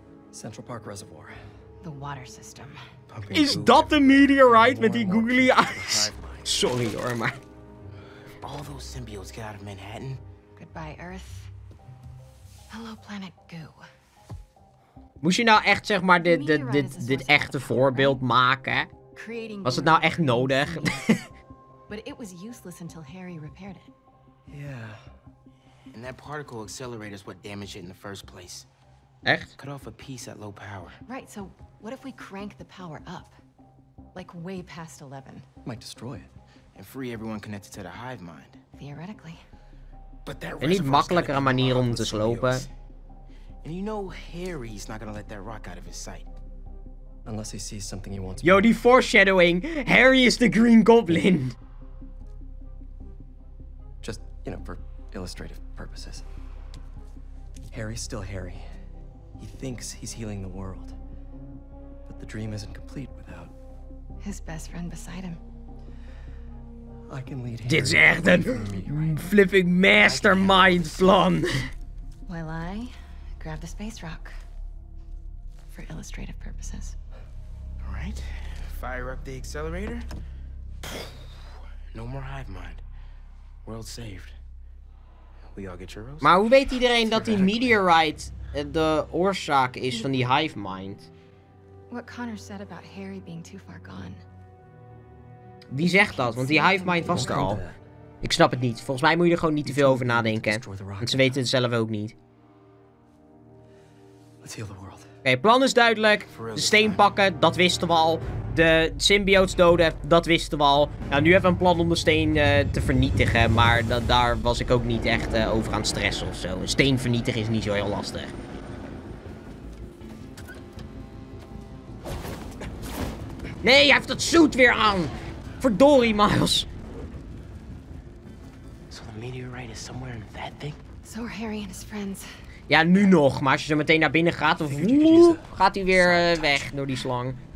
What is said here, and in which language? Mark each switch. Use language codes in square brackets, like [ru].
[en] Central Park Reservoir. The water system. [nl] Is dat de meteorite met die googly eyes? Sorry hoor, maar. [en] All those symbiotes get out of Manhattan. Goodbye, Earth. Hello, planet Goo. [nl] Moest je nou echt, zeg maar, dit echte voorbeeld maken? Was het nou echt nodig? [en] But it was useless until Harry repaired it. Yeah. And that particle accelerator is what damaged it in the first place. [nl] Echt? [en] Cut off a piece at low power. Right, so what if we crank the power up? Like way past 11. Might destroy it. And free everyone connected to the hive mind. Theoretically. But that is [nl] niet makkelijker een manier om te slopen. [en] And you know Harry's not gonna let that rock out of his sight. Unless he sees something he wants. Yo, [nl] die foreshadowing. [en] Harry is the Green Goblin. Just, you know, for illustrative purposes. Harry's still Harry. He thinks he's healing the world. But the dream isn't complete without his best friend beside him. I can lead him. [nl] Dit is echt een flipping mastermind plan. [en] Well, I grab the space rock for illustrative purposes. All right. Fire up the accelerator. No more hive mind. World saved. We all get heroes. [nl] Maar hoe weet iedereen dat die meteorite de oorzaak is van die hive mind? [en] What Connor said about Harry being too far gone. [nl] Wie zegt dat? Want die hive mind was er al. Ik snap het niet. Volgens mij moet je er gewoon niet te veel over nadenken. Want ze weten het zelf ook niet. Oké, plan is duidelijk. De steen pakken, dat wisten we al. De symbiotes doden, dat wisten we al. Nou, nu hebben we een plan om de steen te vernietigen. Maar daar was ik ook niet echt over aan het stressen of zo. Een steen vernietigen is niet zo heel lastig. Nee, hij heeft dat zoet weer aan. Verdorie, Miles. [en] So the meteorite is somewhere in that thing? So are Harry and his friends. [nl] Ja, nu nog. Maar als je zo meteen naar binnen gaat, of gaat hij weer weg door die slang.